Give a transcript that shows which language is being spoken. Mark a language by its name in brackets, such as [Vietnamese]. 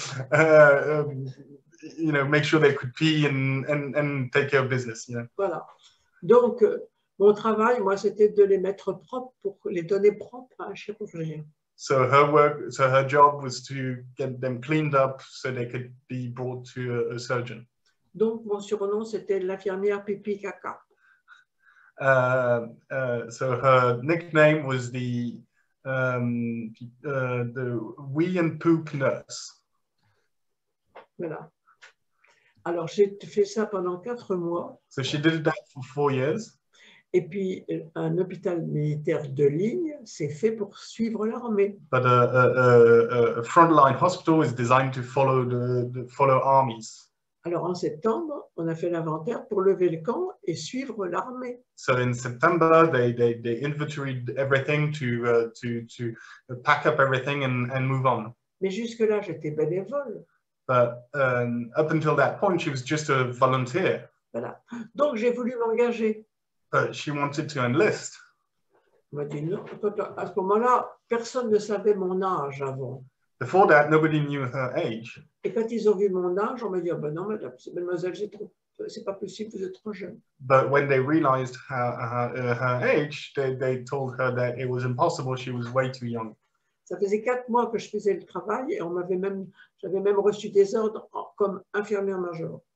[English] You know, make sure they could pee and take care of business. You know. [French] Voilà. Donc mon travail, moi, c'était de les mettre propres pour les donner propres à un chirurgien. [English] So her job was to get them cleaned up so they could be brought to a surgeon. [French] Donc mon surnom c'était l'infirmière pipi caca. [English] So her nickname was the wee and poop nurse. [French] Voilà. Alors j'ai fait ça pendant 4 mois. [English] So she did that for 4 years. [French] Et puis, un hôpital militaire de ligne, c'est fait pour suivre l'armée. [English] But a frontline hospital is designed to follow follow armies. [French] Alors, en septembre, on a fait l'inventaire pour lever le camp et suivre l'armée. [English] So in September, they inventoried everything to pack up everything and move on. [French] Mais jusque-là, j'étais bénévole. [English] But up until that point, she was just a volunteer. [French] Voilà. Donc, j'ai voulu m'engager. [English] She wanted to enlist. [French] À ce moment-là, personne ne savait mon âge avant. [English] Before that, nobody knew her age. [French] Et quand ils ont vu mon âge, on m'a dit, oh, ben non, mademoiselle, j'ai trop, c'est pas possible, vous êtes trop jeune. [English] But when they realized her age, they told her that it was impossible, she was way too young. [French] Ça faisait 4 mois que je faisais le travail et on m'avait même, j'avais même reçu des ordres comme infirmière major.